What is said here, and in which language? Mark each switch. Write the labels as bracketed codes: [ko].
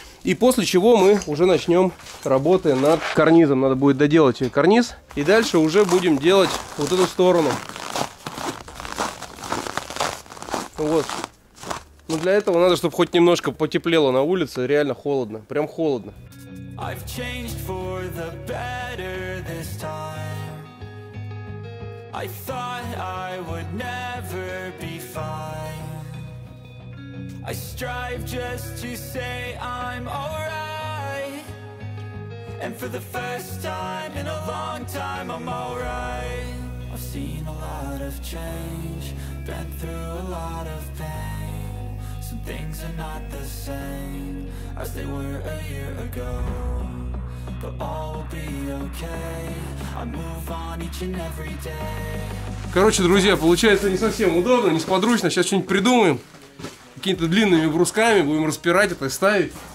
[ru] И после чего мы уже начнем работы над карнизом. Надо будет доделать карниз. И дальше уже будем делать вот эту сторону. Вот. Но для этого надо, чтобы хоть немножко потеплело на улице. Реально холодно, прям холодно. [en] I've changed for the better this time. I thought I would never be fine. I strive just to say I'm alright. And for the first time in a long time I'm alright. I've seen a lot of change, been through a lot of pain. Some things are not the same as they were a year ago, but all will be okay. I move on each and every day. [ru] Короче, друзья, получается не совсем удобно, не сподручно. Сейчас что-нибудь придумаем. Какими-то длинными брусками будем распирать это и ставить.